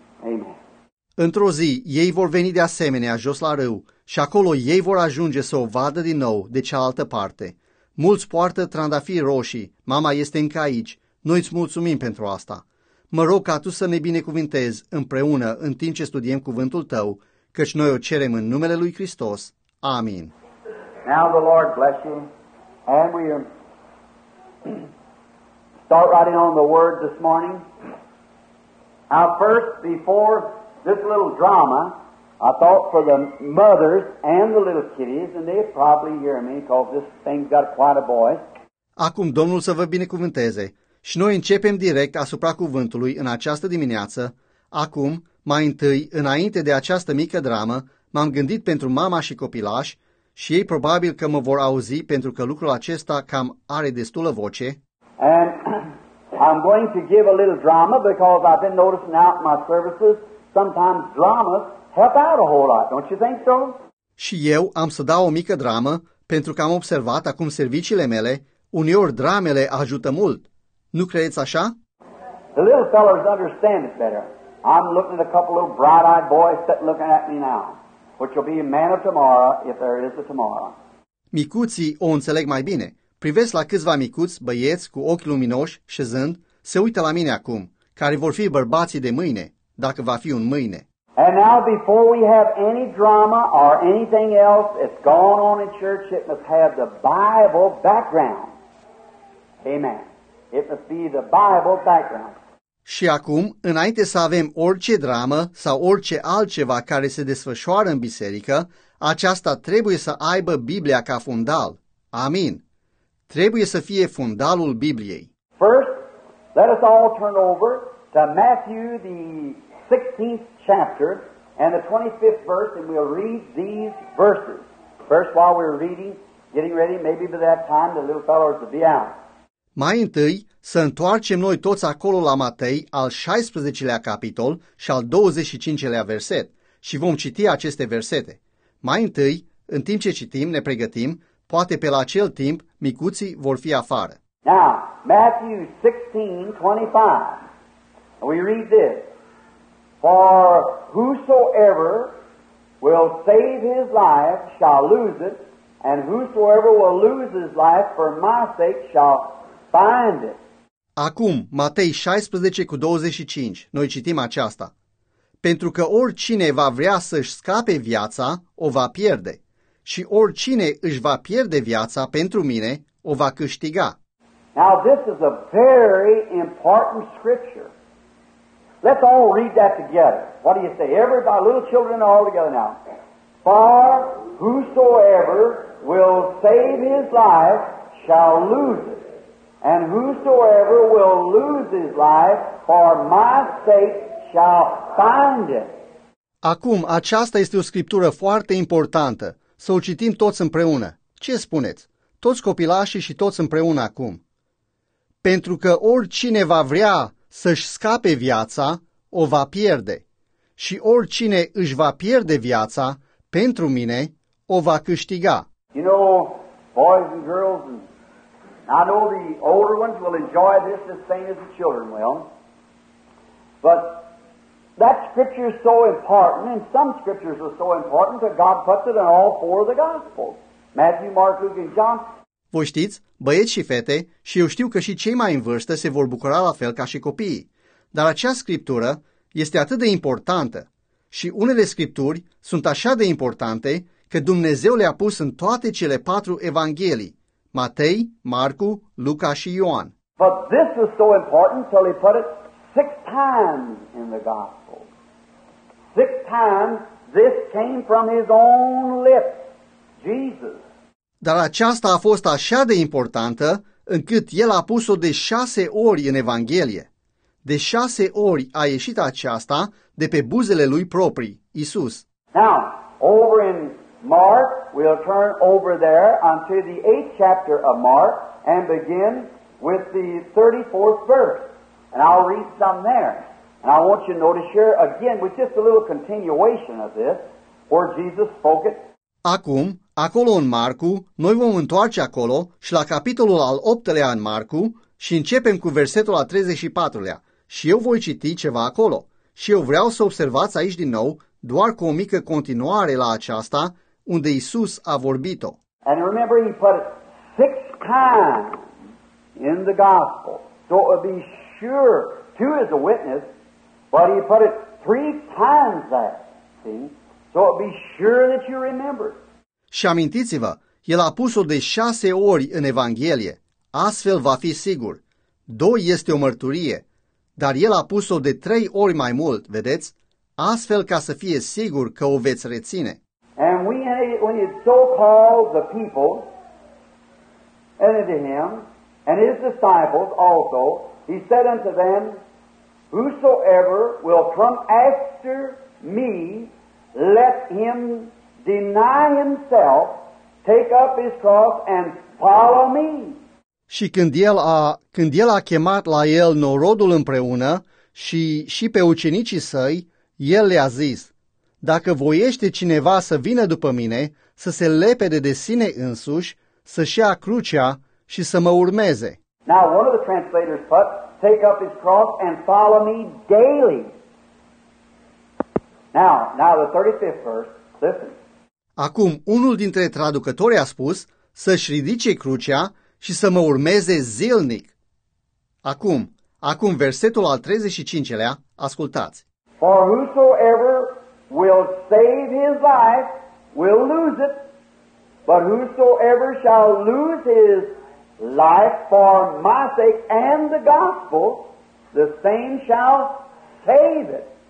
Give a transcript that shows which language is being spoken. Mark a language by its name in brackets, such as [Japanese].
[English] Amen. [Romanian] Într-o zi, ei vor veni de asemenea jos la râu și acolo ei vor ajunge să o vadă din nou de cealaltă parte. Mulți poartă trandafiri roșii, mama este încă aici, noi îți mulțumim pentru asta. Mă rog ca tu să ne binecuvintezi împreună în timp ce studiem cuvântul tău, căci noi o cerem în numele lui Hristos. Amin. [English] Now the Lord bless you, and we start writing on the word this morning. Now first, before this little drama, I thought for the mothers and the little kiddies, and they probably hear me, because this thing's got quite a voice. [Romanian] Acum Domnul să vă binecuvânteze. Și noi începem direct asupra cuvântului în această dimineață. Acum, mai întâi, înainte de această mică dramă, m-am gândit pentru mama și copilași și ei probabil că mă vor auzi pentru că lucrul acesta cam are destulă voce. [English] And I'm going to give a little drama because I've been noticing out my services sometimes dramas help out a whole lot, don't you think so? [Romanian] Și eu am să dau o mică dramă pentru că am observat acum serviciile mele, uneori dramele ajută mult. Nu credeți așa? [English] The little fellows understand it better. I'm looking at a couple of bright-eyed boys that looking at me now, which will be a man of tomorrow if there is a tomorrow. [Romanian] Micuții o înțeleg mai bine. Privesc la câțiva micuți băieți cu ochi luminoși șezând, se uită la mine acum, care vor fi bărbații de mâine, dacă va fi un mâine. [English] And now before we have any drama or anything else that's gone on in church, it must have the Bible background. Amen. It must be the Bible background. [Romanian] Și acum, înainte să avem orice dramă sau orice altceva care se desfășoară în biserică, aceasta trebuie să aibă Biblia ca fundal. Amin. Trebuie să fie fundalul Bibliei. [English] First, let us all turn over to Matthew, the 16th chapter, and the 25th verse, and we'll read these verses. First, while we're reading, getting ready, maybe by that time the little fellows will be out. [Romanian] Mai întâi, să întoarcem noi toți acolo la Matei, al 16-lea capitol și al 25-lea verset, și vom citi aceste versete. Mai întâi, în timp ce citim, ne pregătim, poate pe la acel timp, micuții vor fi afară. [English] Now, Matthew 16:25. We read this. For whosoever will save his life shall lose it, and whosoever will lose his life for my sake shall find it. [Romanian] Acum, Matei 16:25, noi citim aceasta. Pentru că oricine va vrea să-și scape viața, o va pierde. Și oricine își va pierde viața pentru mine, o va câștiga. [English] Now this is a very important scripture. Let's all read that together. What do you say? Everybody, little children all together now. For whosoever will save his life shall lose it. And whosoever will lose his life for my sake shall find it. [Romanian] Acum, aceasta este o scriptură foarte importantă. Să o citim toți împreună. Ce spuneți? Toți copilașii și toți împreună acum. Pentru că oricine va vrea să-și scape viața, o va pierde. Și oricine își va pierde viața, pentru mine, o va câștiga. [English] You know, boys and girls, I know the older ones will enjoy this the same as the children will. But that scripture is so important, and some scriptures are so important that God puts it in all four of the Gospels. Matthew, Mark, Luke, and John. [Romanian] Voi știți, băieți și fete, și eu știu că și cei mai în vârstă se vor bucura la fel ca și copiii. Dar acea scriptură este atât de importantă. Și unele scripturi sunt așa de importante că Dumnezeu le-a pus în toate cele patru evanghelii. Matei, Marcu, Luca și Ioan. [English] But this is so important till he put it six times in the gospel. Six times this came from his own lips, Jesus. [Romanian] Dar aceasta a fost așa de importantă încât el a pus-o de 6 ori în Evanghelie. De 6 ori a ieșit aceasta de pe buzele lui proprii, Iisus. [English] Now, over in Mark, we'll turn over there unto the 8th chapter of Mark and begin with the 34th verse. And I'll read some there. And I want you to notice here, again, with just a little continuation of this, where Jesus spoke it. [Romanian] Acum, acolo în Marcu, noi vom întoarce acolo și la capitolul al 8-lea în Marcu și începem cu versetul al 34-lea. Și eu voi citi ceva acolo. Și eu vreau să observați aici din nou, doar cu o mică continuare la aceasta, unde Iisus a vorbit-o. [English] And remember, he put it 6 times in the gospel. So it would be sure, 2 is a witness, but he put it 3 times that, see? So it'd be sure that you remember. [Romanian] Și amintiți-vă, el a pus-o de 6 ori în Evanghelie. Astfel va fi sigur. 2 este o mărturie, dar el a pus-o de 3 ori mai mult, vedeți? Astfel ca să fie sigur că o veți reține. [English] And when he so-called the people and unto him and his disciples also, he said unto them, whosoever will come after me, let him deny himself, take up his cross and follow me. [Romanian] Și când el a chemat la el norodul împreună și pe ucenicii săi, el le-a zis, dacă voiește cineva să vină după mine, să se lepede de sine însuși, să-și ia crucea și să mă urmeze. [English] Now, one of the translators put, take up his cross and follow me daily. Now the 35th verse, listen. [Romanian] Acum, unul dintre traducători a spus, să-și ridice crucea și să mă urmeze zilnic. Acum versetul al 35-lea, ascultați. [English] For whosoever will save his life will lose it, but whosoever shall lose his life for my sake and the gospel, the same shall save it.